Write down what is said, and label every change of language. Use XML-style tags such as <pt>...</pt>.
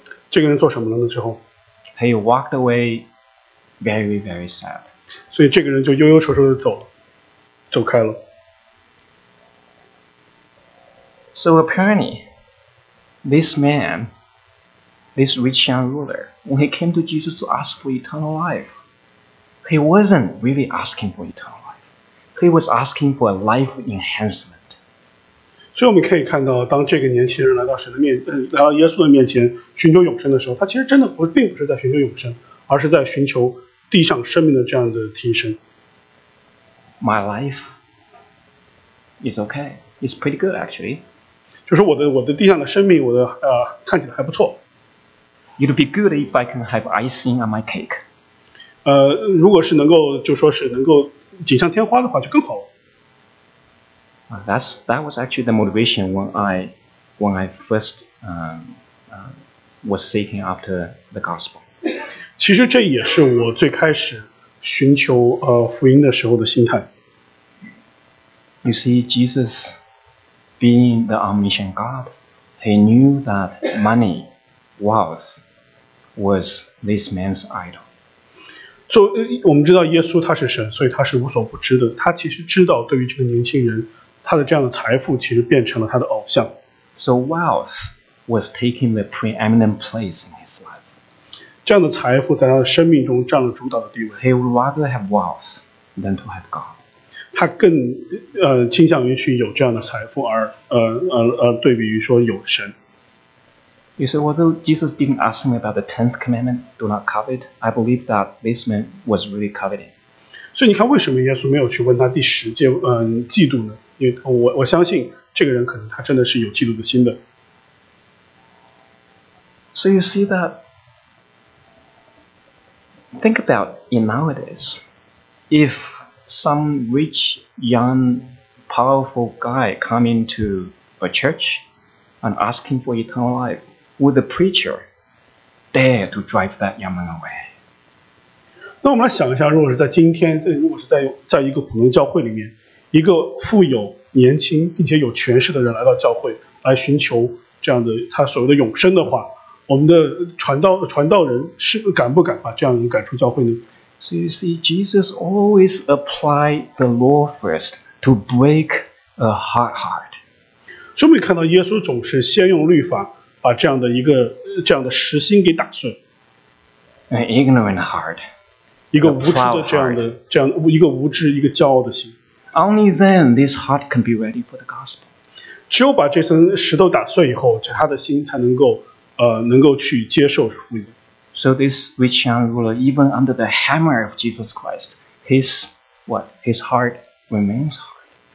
<zh>这个人做什么了呢？之后</zh> <en>，He walked away very, very sad.</en> <zh>所以这个人就忧忧愁愁的走开了。</zh> <en>So apparently, this man, this rich young ruler, when he came to Jesus to ask for eternal life, he wasn't really asking for eternal life. He was asking for a life enhancement.</en> <zh>所以我们可以看到，当这个年轻人来到神的面，来到耶稣的面前寻求永生的时候，他其实真的并不是在寻求永生，而是在寻求地上生命的这样的提升。</zh> <en>My life is okay. It's pretty good, actually.</en> <zh>就是我的地上的生命，我的看起来还不错。</zh> <en>It'd be good if I can have icing on my cake.</en> <zh>如果是能够就说是能够锦上添花的话，就更好了。</zh> <en>That was actually the motivation when I first was seeking after the gospel.</en> <zh>其实这也是我最开始寻求福音的时候的心态。</zh> <en>You see, Jesus. Being the omniscient God, he knew that money, wealth, was this man's idol.</en> <zh>So, 我们知道耶稣他是神，所以他是无所不知的。他其实知道，对于这个年轻人，他的这样的财富其实变成了他的偶像。</zh> <en>So wealth was taking the preeminent place in his life.</en> <zh>这样的财富在他的生命中占了主导的地位。</zh> <en>He would rather have wealth than to have God.</en> <zh>他更倾向于去有这样的财富，而对比于说有神。</zh> <en>You see, although Jesus didn't ask me about the tenth commandment, do not covet, I believe that this man was really coveting.</en> <zh>所以你看，为什么耶稣没有去问他第十诫嫉妒呢？因为我相信这个人可能他真的是有嫉妒的心的。</zh> <en>So you see that. Think about in nowadays, if. Some rich, young, powerful guy coming to a church and asking for eternal life. Would the preacher dare to drive that young man away?</en> <zh>那我们来想一下，如果是在今天，如果是在一个普通教会里面，一个富有、年轻并且有权势的人来到教会，来寻求这样的他所谓的永生的话，我们的传道人是敢不敢把这样的人赶出教会呢？</zh> <en>So you see, Jesus always apply the law first to break a hard heart.</en> <zh>所以我们看到耶稣总是先用律法把这样的一个这样的实心给打碎。</zh> <en>An ignorant heart.</en> <zh>一个无知的这样的这样一个无知一个骄傲的心。</zh> <en>Only then this heart can be ready for the gospel.</en> <zh>只有把这层石头打碎以后，他的心才能够能够去接受福音。</zh> <en>So this rich young ruler, even under the hammer of Jesus Christ, his heart remains hard.</en>